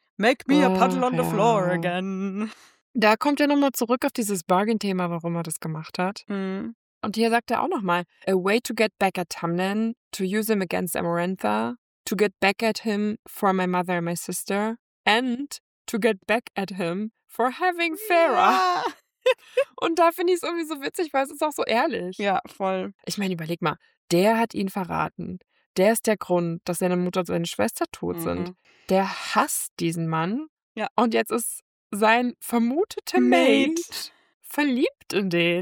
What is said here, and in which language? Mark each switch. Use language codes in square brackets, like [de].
[en] Make me a puddle on the floor again. [de] Da kommt er nochmal zurück auf dieses Bargain-Thema, warum er das gemacht hat. Mhm. Und hier sagt er auch nochmal, [en] a way to get back at Tamlin, to use him against Amarantha, to get back at him for my mother and my sister, and to get back at him for having Farah. [de] Und da finde ich es irgendwie so witzig, weil es ist auch so ehrlich. Ja, voll. Ich meine, überleg mal, der hat ihn verraten. Der ist der Grund, dass seine Mutter und seine Schwester tot sind. Der hasst diesen Mann. Ja. Und jetzt ist sein vermuteter Mate verliebt in den.